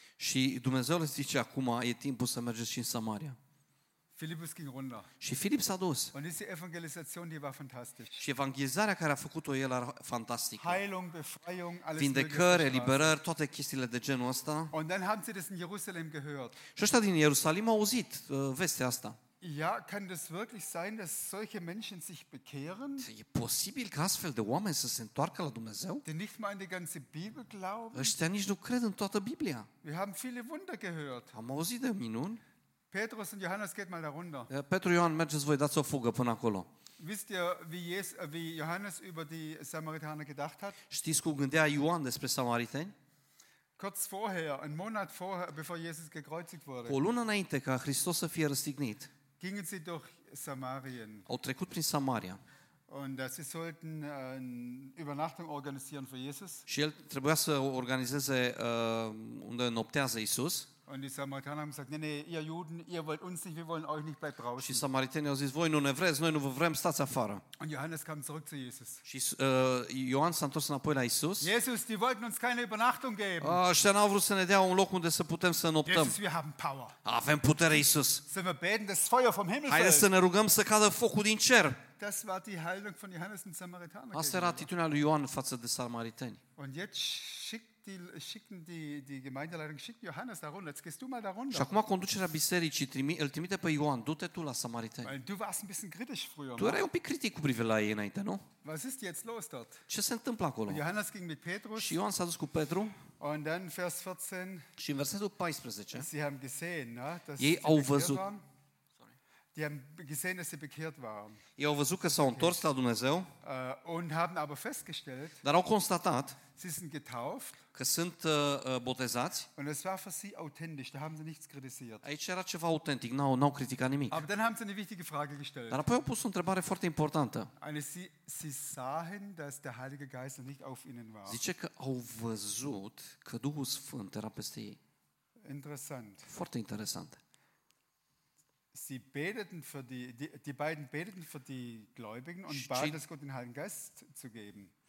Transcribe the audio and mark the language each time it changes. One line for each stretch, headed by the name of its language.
Romanian: Și Dumnezeu le zice acum, e timpul să mergeți și în Samaria.
German: Philippus ging runter.
Romanian: Și Filip s-a dus.
German: Und diese Evangelisation, die war fantastisch.
Romanian: Și evangelizarea care a făcut-o el era fantastică.
German: Heilung, Befreiung, alles.
Romanian: Vindecări, eliberări, toate chestiile de genul ăsta.
German: Und dann haben sie das in Jerusalem gehört.
Romanian: Și ăștia din Ierusalim au auzit vestea asta.
German: Ja, kann das wirklich sein, dass solche Menschen sich bekehren?
Romanian: E posibil ca astfel de oameni să se întoarcă la Dumnezeu?
German: Die nicht mal in die ganze Bibel glauben?
Romanian: Ăștia nici nu cred în toată Biblia.
German: Wir haben viele Wunder gehört.
Romanian: Am auzit de minuni.
German: Petrus und Johannes geht mal da runter.
Romanian: Petru, Ioan, mergeți voi, dați o fugă până acolo.
German: Wisst ihr, wie Johannes über die Samaritaner gedacht hat?
Romanian: Știți cum gândea Ioan despre samariteni?
German: Kurz vorher, ein Monat vorher, bevor Jesus gekreuzigt wurde.
Romanian: O lună înainte ca Hristos să fie răstignit.
German: Gingen sie durch Samarien.
Romanian: Au trecut prin Samaria.
German: Und sie sollten eine Übernachtung organisieren für Jesus.
Romanian: Și el trebuia să organizeze unde noptează Isus.
German: Und die Samaritaner haben gesagt, nee, ihr Juden, ihr wollt uns nicht, wir wollen euch nicht, bleibt draußen.
Romanian: Și samaritenii au zis, voi nu ne vreți, noi nu vă vrem, stați afară.
German: Und Johannes kam zurück zu Jesus.
Romanian: Și Ioan s-a întors înapoi la Isus.
German: Jesus, die wollten uns keine Übernachtung geben.
Romanian: Ăștia n-au vrut să ne dea un loc unde să putem să noptăm.
German: Jesus, wir haben power.
Romanian: Avem putere, Isus. Să vă
German: beten, das Feuer vom Himmel fällt.
Romanian: Haideți să ne rugăm să cadă focul din cer.
German: Das war die Heilung von Johannes und Samaritaner.
Romanian: Asta era atitudinea lui Ioan față de samariteni.
German: Und jetzt schicken die Gemeindeleitung schickt Johannes da runter. Jetzt gehst du mal da runter.
Romanian: Și acum conducerea bisericii îl trimite pe Ioan, du-te tu la samariteni.
German: Du warst ein bisschen kritisch früher.
Romanian: Tu erai un pic critic cu privire la ei înainte, nu?
German: Was ist jetzt los dort?
Romanian: Ce se întâmplă acolo?
German: Johannes ging mit Petrus.
Romanian: Și Ioan s-a dus cu Petru.
German: Und dann Vers 14.
Romanian: Și în versetul 14.
German: Sie haben gesehen, na, dass
Romanian: ei au văzut.
German: Die haben gesehen, dass sie bekehrt waren.
Romanian: Ei au văzut că s-au întors la Dumnezeu.
German: Und haben aber festgestellt.
Romanian: Dar au constatat.
German: Sie sind getauft.
Romanian: Că sunt botezați.
German: Und es war für sie authentisch. Da haben sie nichts kritisiert.
Romanian: Aici era ceva autentic. N-au criticat nimic.
German: Aber dann haben sie eine wichtige Frage gestellt.
Romanian: Dar apoi au pus o întrebare foarte importantă.
German: Und sie sahen, dass der Heilige Geist nicht auf ihnen war.
Romanian: Zice că au văzut că Duhul Sfânt era peste ei.
German: Interessant.
Romanian: Foarte interesant.
German: Sie beteten für die beiden beteten für die Gläubigen und baten es Gott den Heiligen Geist zu geben.